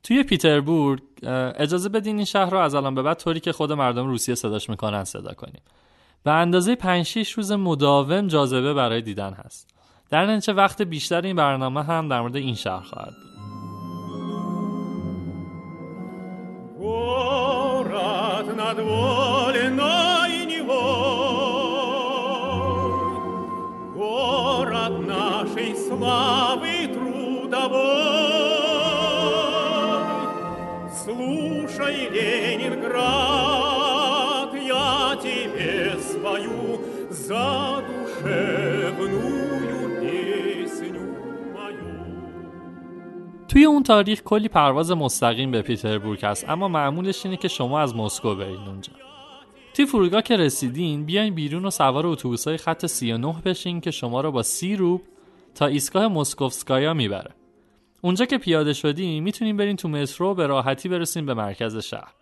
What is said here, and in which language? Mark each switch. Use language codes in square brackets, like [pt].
[fa] توی پیتربورگ اجازه بدین این شهر رو از الان به بعد طوری که خود مردم روسیه صداش میکنن صدا کنیم. به اندازه 5 6 روز مداوم جاذبه برای دیدن هست. در نتیجه وقت بیشتر این برنامه هم در مورد این شهر خواهد بود. [ru] Город над Волиной и Невой, город нашей славы трудовой. Слушай, Ленинград, я тебе спою за душевную песню мою. [fa] توی اون تاریخ کلی پرواز مستقیم به پیتربورگ هست، اما معمولش اینه که شما از مسکو برید اونجا. توی فرودگاه که رسیدین بیاین بیرون و سوار اتوبوس‌های خط 39 بشین که شما رو با 30 روبل تا ایستگاه موسکوفسکایا میبره. اونجا که پیاده شدین میتونین برین تو مترو به راحتی برسین به مرکز شهر.